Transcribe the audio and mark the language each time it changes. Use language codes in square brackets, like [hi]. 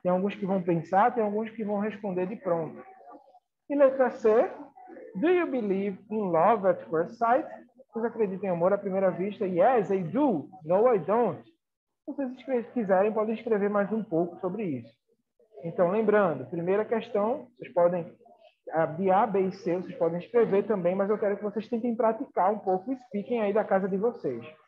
[pt] Tem alguns que vão pensar, tem alguns que vão responder de pronto. E letra C. [en] Do you believe in love at first sight? [pt] Vocês acreditam em amor à primeira vista? [en] Yes, I do. No, I don't. [pt] Se vocês quiserem, podem escrever mais um pouco sobre isso. Então, lembrando, primeira questão, vocês podem, de A, B e C, vocês podem escrever também, mas eu quero que vocês tentem praticar um pouco o speaking aí da casa de vocês.